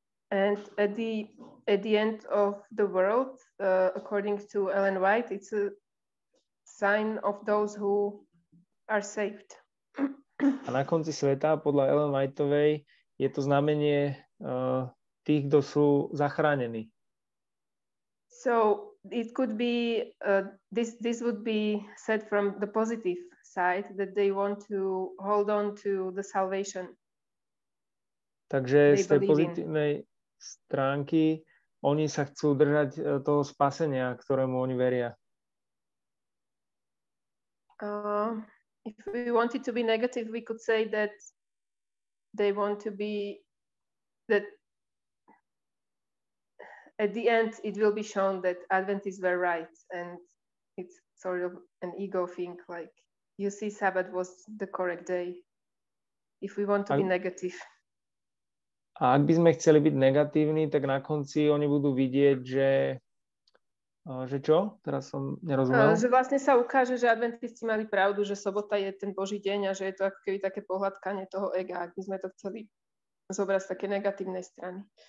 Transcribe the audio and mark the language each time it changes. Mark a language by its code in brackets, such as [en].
[en] And at the end of the world, according to Ellen White, it's a sign of those who are saved. [sk] A na konci sveta, podľa Ellen Whiteovej, je to znamenie tých, kto sú zachránení. [en] So it could be this would be said from the positive side that they want to hold on to the salvation. [sk] Takže z tej pozitívnej stránky oni sa chcú držať toho spasenia, ktorému oni veria. [en] If we wanted to be negative, we could say that they want to be that at the end, it will be shown that Adventists were right, and it's sort of an ego thing, like, you see, Sabbath was the correct day, if we want to be negative. [sk] A ak by sme chceli byť negatívni, tak na konci oni budú vidieť, že čo? Teraz som nerozumel. Že vlastne sa ukáže, že Adventisti mali pravdu, že sobota je ten Boží deň a že je to ako keby také pohľadkanie toho ega, ak by sme to chceli zobrať z také negatívnej strany.